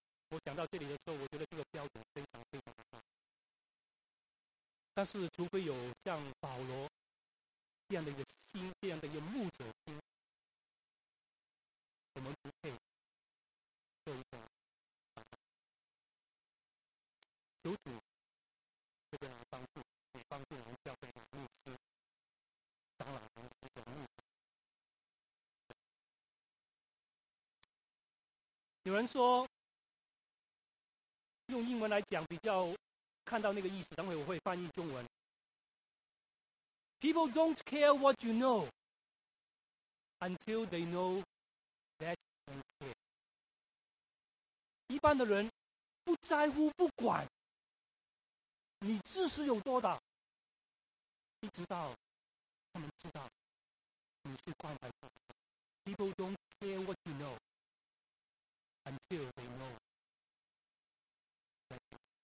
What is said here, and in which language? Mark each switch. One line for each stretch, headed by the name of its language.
Chinese: 我讲到这里的时候，我觉得这个标准非常非常高。但是除非有像保罗这样的一个心，这样的一个牧者心，我们不配做一个求主这边来帮助，帮助我们教会的牧师，长老们这个牧师。有人说用英文来讲比较看到那个意思，等会我会翻译中文。
English: People don't care what you know until they know that you care.
Chinese: 一般的人不在乎不管你知识有多大，一直到他们知道你是关怀他们。
English: People don't care what you know until they know that you care.